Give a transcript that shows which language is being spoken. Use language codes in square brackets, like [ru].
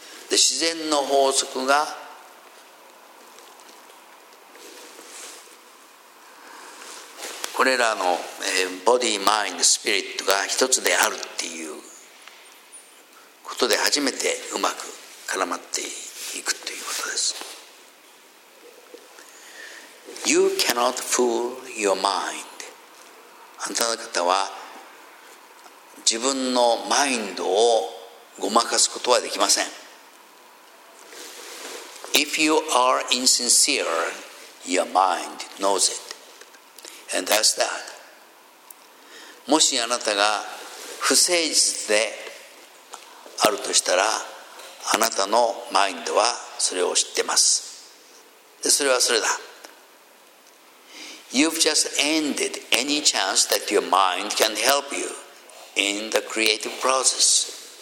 [ja] で、自然の法則が、これらの、ボディ、マインド、スピリットが一つであるっていうことで初めてうまく絡まっていくということです。 [en] You cannot fool your mind. [ja] あなた方は自分のマインドをごまかすことはできません。 [en] If you are insincere, your mind knows it. And that's that. [ja] もしあなたが不誠実であるとしたら、あなたのマインドはそれを知ってます。で、それはそれだ。 [en] You've just ended any chance that your mind can help you in the creative process.